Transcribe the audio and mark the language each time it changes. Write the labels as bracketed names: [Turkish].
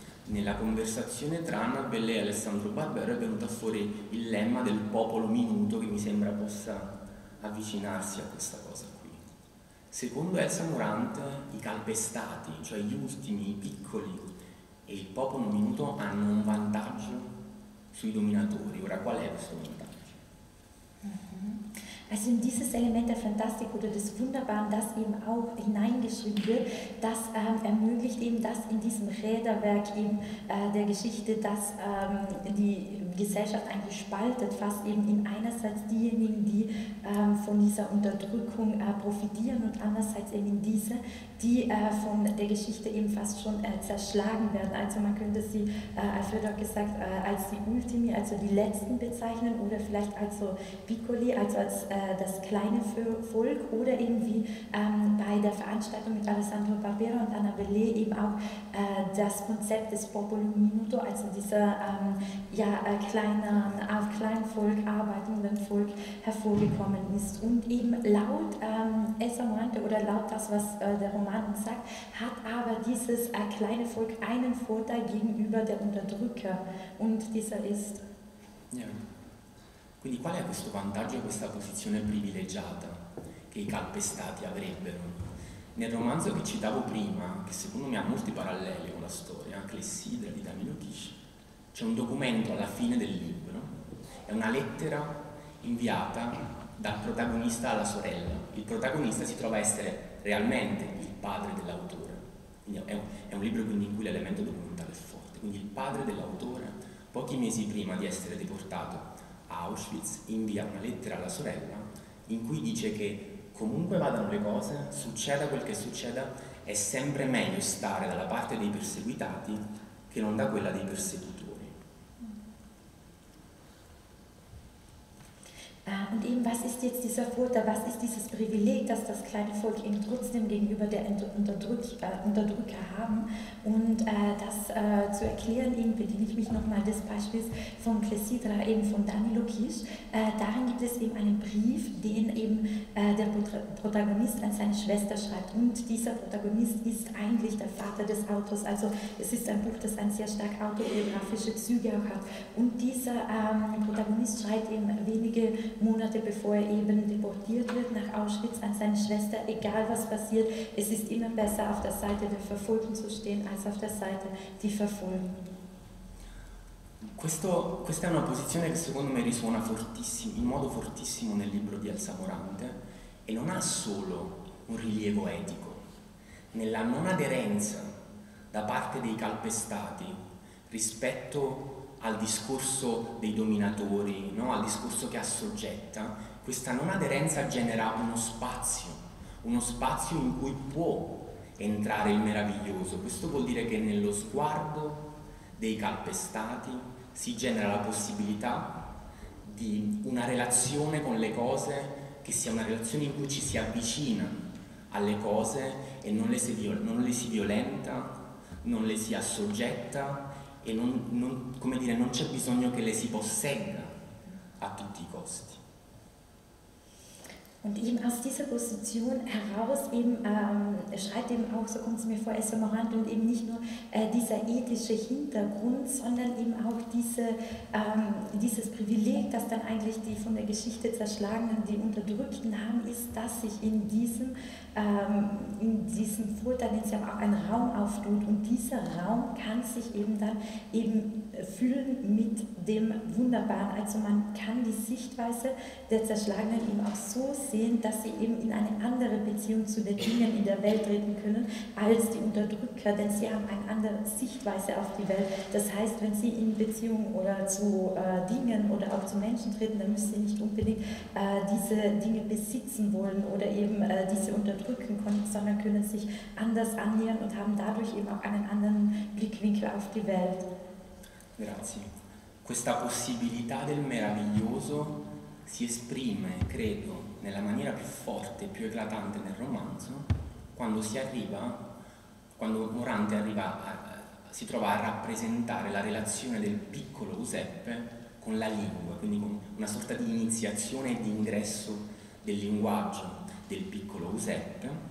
[Italian] Nella conversazione tra Annabelle e Alessandro Barbero è venuto fuori il lemma del popolo minuto, che mi sembra possa avvicinarsi a questa cosa qui. Secondo Elsa Morante, i calpestati, cioè gli ultimi, i piccoli e il popolo minuto hanno un vantaggio sui dominatori. Ora, qual è questo vantaggio? [German] Also in dieses Element der Fantastik oder des Wunderbaren, das eben auch hineingeschrieben wird, das ermöglicht eben, dass in diesem Räderwerk eben der Geschichte, dass die Gesellschaft eigentlich spaltet, fast eben in einerseits diejenigen, die von dieser Unterdrückung profitieren und andererseits eben in diese, die von der Geschichte eben fast schon zerschlagen werden. Also man könnte sie, Alfred hat gesagt, als die Ultimi, also die Letzten bezeichnen, oder vielleicht als so Piccoli, also als das kleine Volk, oder eben wie bei der Veranstaltung mit Alessandro Barbero und Anna Belle eben auch das Konzept des Popolo Minuto, also dieser kleinen Volk, arbeitenden Volk hervorgekommen ist. Und eben laut Elsa Morante oder laut das, was der Roman uns sagt, hat aber dieses kleine Volk einen Vorteil gegenüber der Unterdrücker, und dieser ist... Ja. [Italian] Quindi qual è questo vantaggio, questa posizione privilegiata che i calpestati avrebbero? Nel romanzo che citavo prima, che secondo me ha molti paralleli con la storia, Clessidra di Danilo Tisci, c'è un documento alla fine del libro, è una lettera inviata dal protagonista alla sorella. Il protagonista si trova a essere realmente il padre dell'autore. Quindi è un libro quindi in cui l'elemento documentale è forte. Quindi il padre dell'autore, pochi mesi prima di essere deportato Auschwitz, invia una lettera alla sorella in cui dice che comunque vadano le cose, succeda quel che succeda, è sempre meglio stare dalla parte dei perseguitati che non da quella dei persecutori. [German] Und eben, was ist jetzt dieser Vorteil, was ist dieses Privileg, dass das kleine Volk eben trotzdem gegenüber der Unterdrücker haben? Und das zu erklären, eben bediene ich mich nochmal des Beispiels von Clessidra, eben von Danilo Kisch. Darin gibt es eben einen Brief, den eben der Protagonist an seine Schwester schreibt. Und dieser Protagonist ist eigentlich der Vater des Autors. Also es ist ein Buch, das ein sehr stark autobiografische Züge auch hat. Und dieser Protagonist schreibt eben wenige Monate, bevor er eben deportiert wird nach Auschwitz, an seine Schwester: egal was passiert, es ist immer besser, auf der Seite der Verfolgten zu stehen, als auf der Seite die Verfolgten. [Italian] Questa è una posizione che secondo me risuona fortissimo, in modo fortissimo nel libro di Elsa Morante, e non ha solo un rilievo etico. Nella non aderenza da parte dei calpestati rispetto al discorso dei dominatori, no? Al discorso che assoggetta, questa non aderenza genera uno spazio in cui può entrare il meraviglioso. Questo vuol dire che nello sguardo dei calpestati si genera la possibilità di una relazione con le cose, che sia una relazione in cui ci si avvicina alle cose e non le si violenta, non le si assoggetta e non c'è bisogno che le si possegga a tutti i costi. [German] Und eben aus dieser Position heraus eben schreibt eben auch, so kommt es mir vor, Elsa Morandl, eben nicht nur dieser ethische Hintergrund, sondern eben auch dieses Privileg, das dann eigentlich die von der Geschichte Zerschlagenen, die Unterdrückten haben, ist, dass sich in diesem Folter, den sie haben, auch ein Raum auftut. Und dieser Raum kann sich eben dann eben füllen mit dem Wunderbaren. Also man kann die Sichtweise der Zerschlagenen eben auch so sehen, dass sie eben in eine andere Beziehung zu den Dingen in der Welt treten können als die Unterdrücker, denn sie haben eine andere Sichtweise auf die Welt. Das heißt, wenn sie in Beziehung oder zu Dingen oder auch zu Menschen treten, dann müssen sie nicht unbedingt diese Dinge besitzen wollen oder eben diese unterdrücken können, sondern können sich anders annähern und haben dadurch eben auch einen anderen Blickwinkel auf die Welt. [Italian] Grazie. Questa possibilità del meraviglioso si esprime, credo, nella maniera più forte e più eclatante nel romanzo, quando Morante si trova a rappresentare la relazione del piccolo Giuseppe con la lingua, quindi con una sorta di iniziazione e di ingresso del linguaggio del piccolo Giuseppe.